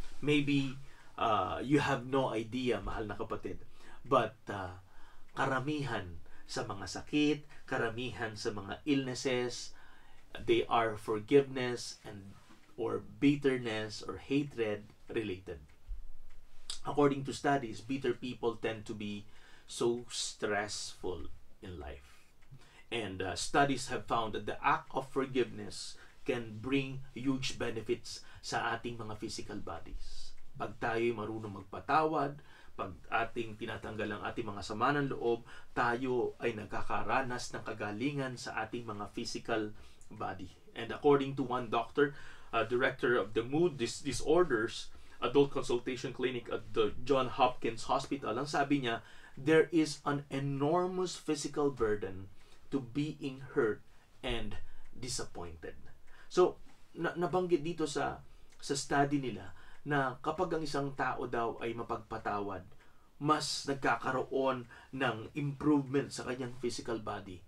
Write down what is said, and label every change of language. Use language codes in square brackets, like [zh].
[en] Maybe you have no idea, [tl] mahal na kapatid, [en] but [tl] karamihan sa mga sakit, karamihan sa mga [en] illnesses, they are forgiveness and or bitterness or hatred related. According to studies, bitter people tend to be so stressful in life. And studies have found that the act of forgiveness can bring huge benefits [tl] sa ating mga [en] physical bodies. [tl] Pag tayo marunong magpatawad, pag ating tinatanggal ang ating mga sama ng loob, tayo ay nagkakaranas ng kagalingan sa ating mga physical body. [en] And according to one doctor, director of the mood disorders, Adult Consultation Clinic at the John Hopkins Hospital, [tl] ang sabi niya, [en] there is an enormous physical burden to being hurt and disappointed. [tl] So, nabanggit dito sa study nila na kapag ang isang tao daw ay mapagpatawad, mas nagkakaroon ng improvement sa kanyang physical body.